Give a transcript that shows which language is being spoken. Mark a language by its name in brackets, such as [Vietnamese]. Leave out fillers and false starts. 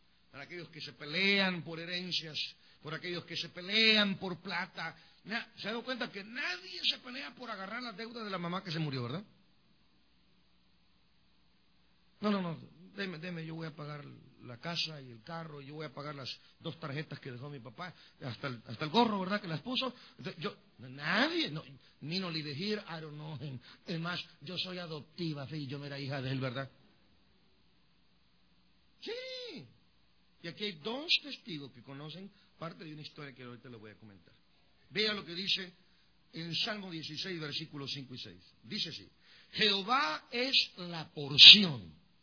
[Spanish] Para aquellos que se pelean por herencias, por aquellos que se pelean por plata. ¿Se ha dado cuenta que nadie se pelea por agarrar la deuda de la mamá que se murió, verdad? No, deme, yo voy a pagar la casa y el carro, yo voy a pagar las dos tarjetas que dejó mi papá, hasta el gorro, ¿verdad?, que las puso. Yo, nadie, no, Nino Lidegir, [English] I don't know him. [Spanish] Es más, yo soy adoptiva, sí, yo no era hija de él, ¿verdad? Sí, y aquí hay dos testigos que conocen parte de una historia que ahorita les voy a comentar. Vea lo que dice en Salmo 16, versículos 5 y 6. Dice así, Jehová es la porción.